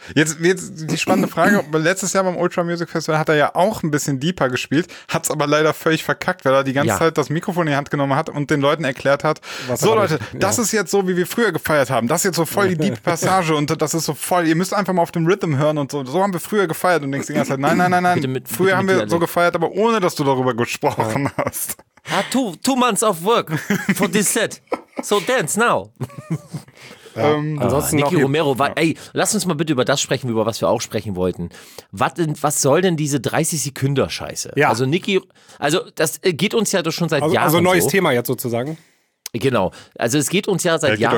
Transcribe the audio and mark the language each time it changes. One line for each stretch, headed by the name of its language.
German: Jetzt die spannende Frage, letztes Jahr beim Ultra Music Festival hat er ja auch ein bisschen deeper gespielt, hat es aber leider völlig verkackt, weil er die ganze Zeit das Mikrofon in die Hand genommen hat und den Leuten erklärt hat, das ist jetzt so, wie wir früher gefeiert haben, das ist jetzt so voll die Deep Passage und das ist so voll, ihr müsst einfach mal auf dem Rhythm hören und so. So haben wir früher gefeiert und denkst die ganze Zeit, nein, gefeiert, aber ohne, dass du darüber gesprochen hast.
English: Ah, two months of work for this set. So dance now.
German: Ansonsten Niki Romero, lass uns mal bitte über das sprechen, über was wir auch sprechen wollten. Was soll denn diese 30-Sekünder-Scheiße? Ja. Also Niki, also das geht uns ja doch schon seit Jahren. Also neues Thema jetzt sozusagen. Genau. Also es geht uns ja seit Jahren.